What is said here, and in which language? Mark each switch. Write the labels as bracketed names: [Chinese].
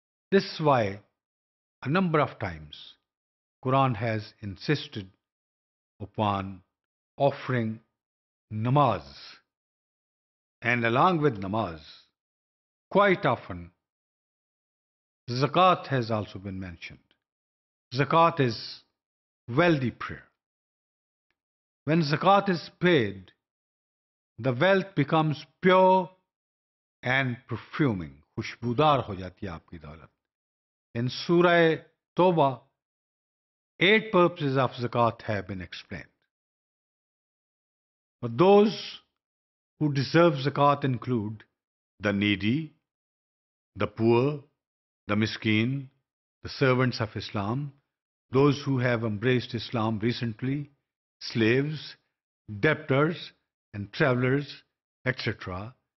[English] This is why a number of times Quran has insisted upon offering namaz, and along with namaz, quite often zakat has also been mentioned. Zakat is wealthy prayer. When zakat is paid, the wealth becomes pure and perfuming. [Urdu] خوشبودار ہو جاتی ہے آپ کی دولت. [English] In Surah Toba, 8 purposes of zakat have been explained. But those who deserve zakat include the needy, the poor, the miskeen, the servants of Islam, those who have embraced Islam recently, slaves, debtors and travelers, etc.